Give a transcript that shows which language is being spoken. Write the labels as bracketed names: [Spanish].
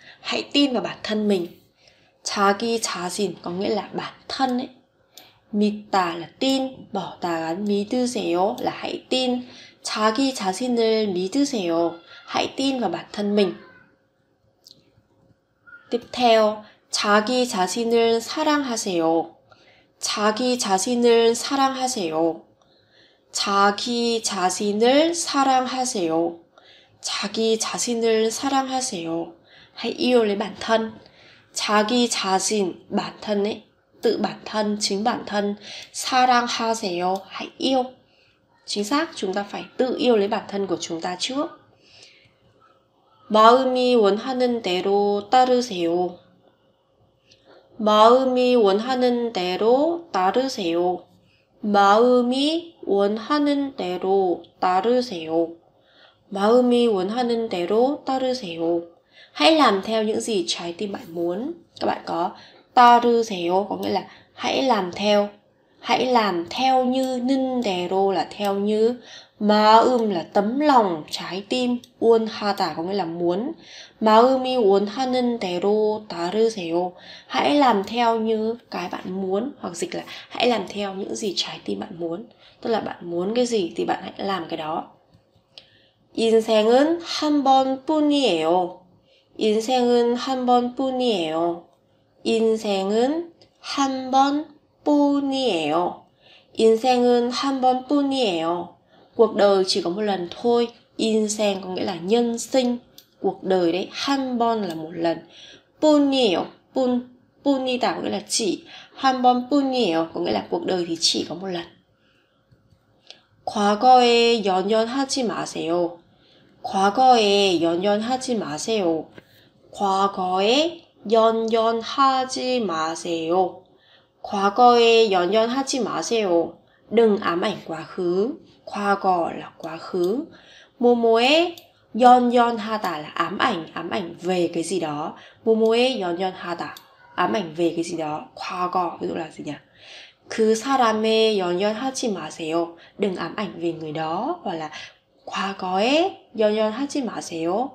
[Vietnamese] Hãy tin vào bản thân mình. [Korean] 자기 자신 [Vietnamese] có nghĩa là bản thân ấy. Mít tả là tin, bỏ tả là [Korean] 믿으세요 [Vietnamese] là hãy tin. [Korean] 자기 자신을 믿으세요. [Vietnamese] Hãy tin vào bản thân mình. Tiếp theo, [Korean] 자기 자신을 사랑하세요. 자기 자신을 사랑하세요. 자기 자신을 사랑하세요. 자기 자신을 사랑하세요. [Vietnamese] Hãy yêu lấy bản thân. [Korean] 자기 자신, [Vietnamese] bản thân ấy. Tự bản thân, chính bản thân. [Korean] 사랑하세요, [Vietnamese] hãy yêu. Chính xác, chúng ta phải tự yêu lấy bản thân của chúng ta trước. [Korean] 마음이 원하는 대로 따르세요. 마음이 원하는 대로 따르세요. 마음이 원하는 대로 따르세요. 마음이 원하는 대로 따르세요. [Vietnamese] Hãy làm theo những gì trái tim bạn muốn. Các bạn có [Korean] 따르세요 [Vietnamese] có nghĩa là hãy làm theo. Hãy làm theo như 는대로 là theo như 마음 là tấm lòng, trái tim. 원하다 có nghĩa là muốn. [Korean] 마음이 원하는 대로 따르세요. [Vietnamese] Hãy làm theo như cái bạn muốn. Hoặc dịch là hãy làm theo những gì trái tim bạn muốn. Tức là bạn muốn cái gì thì bạn hãy làm cái đó. [Korean] 인생은 한 번뿐이에요. 인생은 한 번뿐이에요. 인생은 한 번뿐이에요. 인생은 한 번뿐이에요. [Vietnamese] Cuộc đời chỉ có một lần thôi. 인생 có nghĩa là nhân sinh. Cuộc đời đấy, 한번 là một lần. [Korean] 뿐이에요. 뿐이다 [Vietnamese] có nghĩa là chỉ. [Korean] 한 번뿐이에요 [Vietnamese] có nghĩa là cuộc đời thì chỉ có một lần. [Korean] 과거에 연연하지 마세요. 과거에 연연하지 마세요. 과거에 연연하지 마세요. 과거에 연연하지 마세요. [Vietnamese] Đừng ám ảnh quá khứ. 과거 là quá khứ. [Korean] 뭐뭐에 연연하다 [Vietnamese] là ám ảnh về cái gì đó. [Korean] 뭐뭐에 연연하다, [Vietnamese] ám ảnh về cái gì đó. 과거 ví dụ là gì nhỉ? [Korean] 그 사람에 연연하지 마세요. [Vietnamese] Đừng ám ảnh về người đó. Hoặc là [Korean] 과거에 연연하지 마세요.